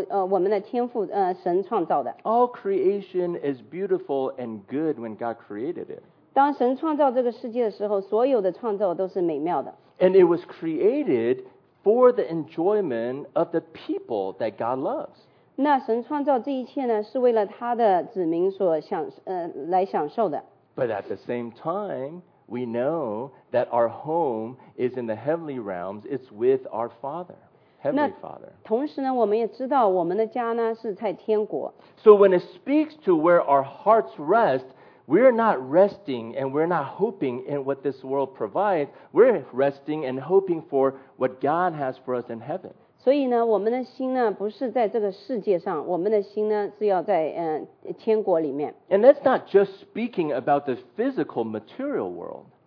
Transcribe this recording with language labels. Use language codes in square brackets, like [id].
[zh] 那其中一个呢，就是这个世界呢是由我们的天父神创造的。 [en] All creation is beautiful and good when God created it. [zh] 当神创造这个世界的时候，所有的创造都是美妙的。 [en] And it was created for the enjoyment of the people that God loves. [zh] 那神创造这一切呢，是为了他的子民所享，来享受的。 [en] But at the same time, we know that our home is in the heavenly realms. It's with our Father. Heavenly Father. [zh] 同时呢，我们也知道我们的家呢是在天国。 [en] So when it speaks to where our hearts rest, we're not resting and we're not hoping in what this world provides. We're resting and hoping for what God has for us in heaven. [zh] 所以呢，我们的心呢不是在这个世界上，我们的心呢是要在天国里面。 [en] And that's not just speaking about the physical material world.